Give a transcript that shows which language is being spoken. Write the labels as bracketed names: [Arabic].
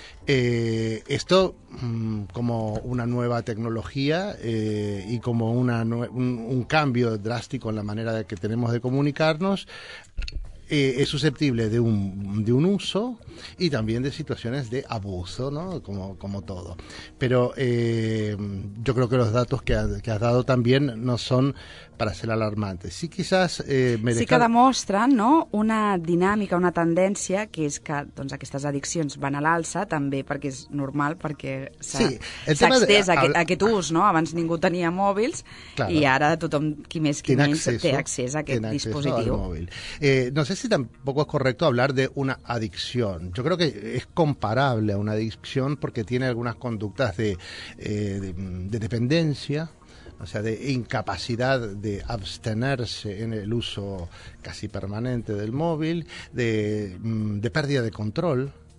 [Spanish] Esto como una nueva tecnología y como un cambio drástico en la manera de que tenemos de comunicarnos, es susceptible de un uso y también de situaciones de abuso, ¿no? Como todo. Pero yo creo que los datos que has dado también no son para ser alarmantes. Sí, quizás... [Catalan] sí que demostren, ¿no?, una dinàmica, una tendència, que és que doncs, aquestes addiccions van a l'alça, també perquè és normal, perquè s'ha estès aquest ús, ¿no? Abans ningú tenia mòbils, claro, i ara tothom, qui més qui menys, té accés a aquest dispositiu. Al mòbil. [Spanish] No sé si tampoco es correcto hablar de una adicción. Yo creo que es comparable a una adicción porque tiene algunas conductas de dependencia, o sea, de incapacidad de abstenerse en el uso casi permanente del móvil, de pérdida de control